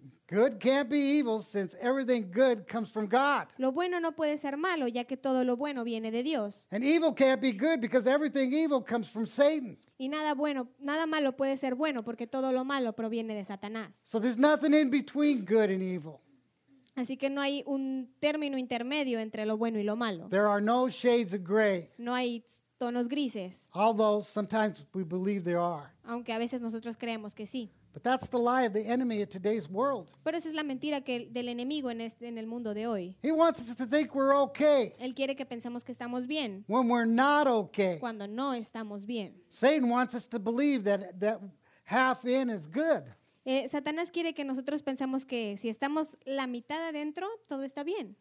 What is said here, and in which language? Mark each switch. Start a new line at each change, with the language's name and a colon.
English: Good can't be evil since everything good comes from God.
Spanish: Lo bueno no puede ser malo ya que todo lo bueno viene de Dios.
English: And evil can't be good because everything evil comes from Satan.
Spanish: Y nada malo puede ser bueno porque todo lo malo proviene de Satanás.
English: So there's nothing in between good and evil.
Spanish: Así que no hay un término intermedio entre lo bueno y lo malo.
English: There are no shades of gray.
Spanish: No hay tonos grises.
English: Although sometimes we believe there are.
Spanish: Aunque a veces nosotros creemos que sí.
English: But that's the lie of the enemy of today's world.
Spanish: Pero esa es la mentira que del enemigo en este, en el mundo de hoy.
English: He wants us to think we're okay.
Spanish: Él quiere que pensemos que estamos bien.
English: When we're not okay.
Spanish: Cuando no estamos bien.
English: Satan wants us to believe that half in is good.
Spanish: Satanás quiere que nosotros pensemos que si estamos la mitad adentro, todo está bien.